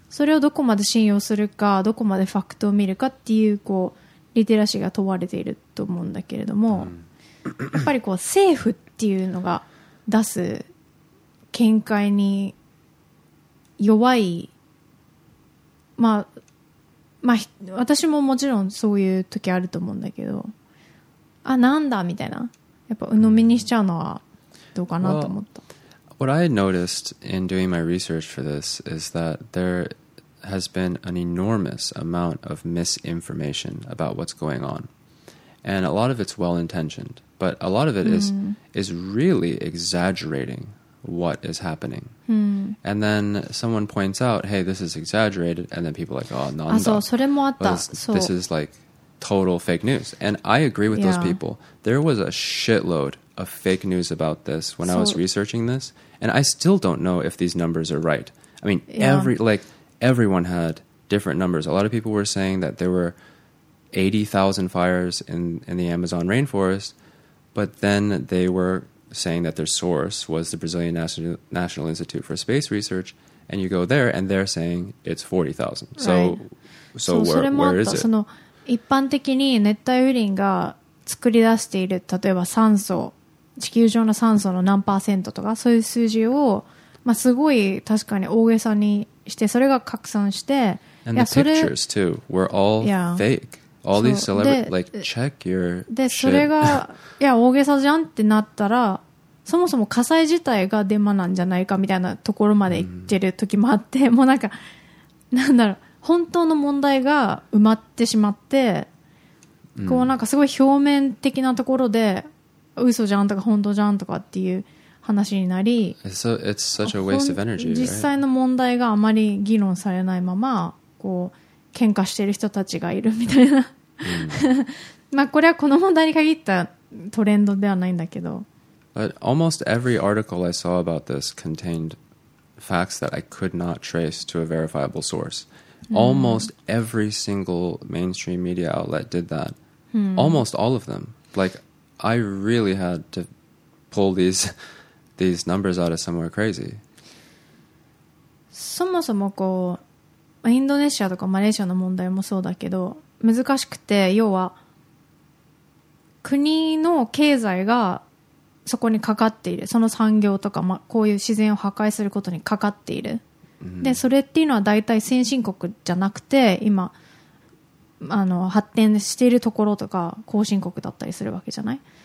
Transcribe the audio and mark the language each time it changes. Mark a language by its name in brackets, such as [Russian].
[Japanese] それをどこまで信用するか、どこまでファクトを見るかっていう、こうリテラシーが問われていると思うんだけれども、うん、やっぱりこう政府っていうのが出す見解に弱い、まあまあ、私ももちろんそういう時あると思うんだけど、あ、なんだみたいな、やっぱ鵜呑みにしちゃうのはどうかなと思った。 [English] Well, what I had noticed in doing my research for this is that there has been an enormous amount of misinformation about what's going on, and a lot of it's well-intentioned, but a lot of it is really exaggerating what is happening. And then someone points out, hey, this is exaggerated, and then people are like, oh, [Japanese] なんだ。そう、それもあった。 [English] This is like total fake news. And I agree with those people. There was a shitload of fake news about this when I was researching this. And I still don't know if these numbers are right. I mean, everyone had different numbers. A lot of people were saying that there were 80,000 fires in the Amazon rainforest, but then they were saying that their source was the Brazilian National Institute for Space Research, and you go there and they're saying it's 40,000. So where is it? [Japanese] その一般的に熱帯雨林が作り出している例えば酸素、地球上の酸素の何パーセントとか、そういう数字を、まあ、すごい確かに大げさにして、それが拡散して、 [English] And the pictures too were all fake. All these celebrities, like, check your shit. [Japanese] で、それが、いや、大げさじゃんってなったら、そもそも火災自体がデマなんじゃないかみたいなところまで行ってる時もあって、もうなんか、なんだろう、本当の問題が埋まってしまって、こうなんかすごい表面的なところで、嘘じゃんとか本当じゃんとかっていう話になり、実際の問題があまり議論されないまま、こう、喧嘩してる人たちがいるみたいな、まあこれはこの問題に限ったトレンドではないんだけど。 [English] But almost every article I saw about this contained facts that I could not trace to a verifiable source. Almost every single mainstream media outlet did that. Almost all of them. Like, I really had to pull these numbers out of somewhere crazy. [Japanese] そもそもこう、インドネシアとかマレーシアの問題もそうだけど、難しくて、要は国の経済がそこにかかっている、その産業とか、まあ、こういう自然を破壊することにかかっている、でそれっていうのは大体先進国じゃなくて、今あの発展しているところとか後進国だったりするわけじゃない。